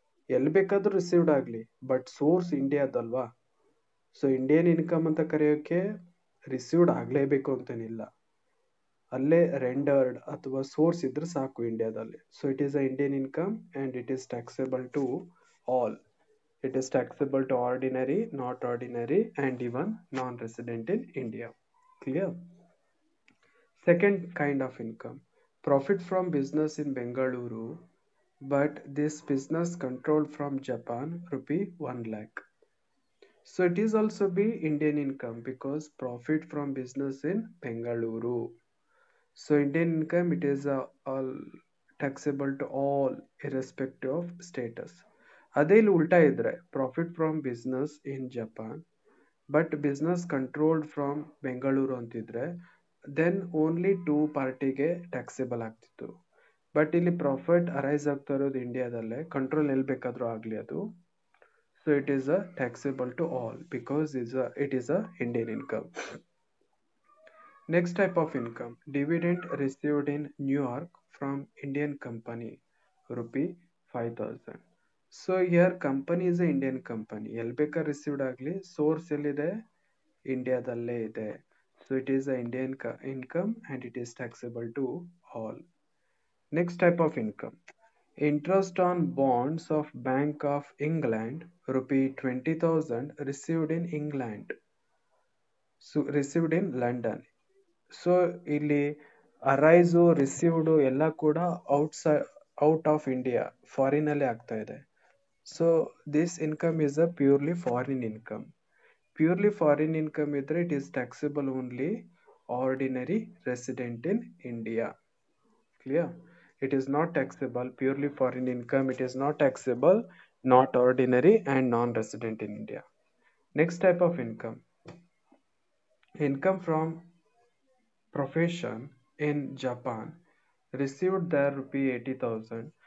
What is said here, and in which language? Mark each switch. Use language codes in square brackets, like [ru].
[kn] ಎಲ್ಲಿ ಬೇಕಾದರೂ ರಿಸೀವ್ಡ್ ಆಗಲಿ but source ಇಂಡಿಯಾದಲ್ವಾ. So Indian income ಅಂತ ಕರೆಯೋಕ್ಕೆ ರಿಸೀವ್ಡ್ ಆಗಲೇಬೇಕು ಅಂತೇನಿಲ್ಲ, ಅಲ್ಲೇ ರೆಂಡರ್ಡ್ ಅಥವಾ ಸೋರ್ಸ್ ಇದ್ರೆ ಸಾಕು ಇಂಡಿಯಾದಲ್ಲಿ. [en] So it is a Indian income and it is taxable to all. It is taxable to ordinary not ordinary and even non resident in India. Clear? Second kind of income, profit from business in Bengaluru, but this business controlled from Japan, ₹1 lakh. So it is also be Indian income because profit from business in Bengaluru. So Indian income, it is all taxable to all irrespective of status. [kn] Adil ulta idre, [en] profit from business in Japan, but business controlled from Bengaluru antidre, then only two ಪಾರ್ಟಿಗೆ taxable ಆಗ್ತಿತ್ತು. [kn] But ಇಲ್ಲಿ profit arise ಆಗ್ತಾ ಇರೋದು ಇಂಡಿಯಾದಲ್ಲೇ, control ಎಲ್ಲಿ ಬೇಕಾದರೂ ಆಗಲಿ ಅದು. [en] So it is a taxable to all because it is a Indian income. Next type of income dividend received in New York from Indian company ₹5,000. So here company is a Indian company, [kn] ಎಲ್ಲಿ ಬೇಕಾದ್ರೆ [en] received ಆಗಲಿ, source [kn] ಎಲ್ಲಿದೆ ಇಂಡಿಯಾದಲ್ಲೇ ಇದೆ. [en] So it is a Indian income and it is taxable to all. Next type of income, interest on bonds of Bank of England, ₹20,000 received in England. So received in London. So illi arise received ella kuda outside out of India foreign [kn] alli aagta ide. [en] So this income is a purely foreign income. Purely foreign income ಇದ್ರೆ it is taxable only ordinary resident in India. Clear? It is not taxable purely foreign income, it is not taxable not ordinary and non resident in India. Next type of income income from profession in Japan received there ₹80,000.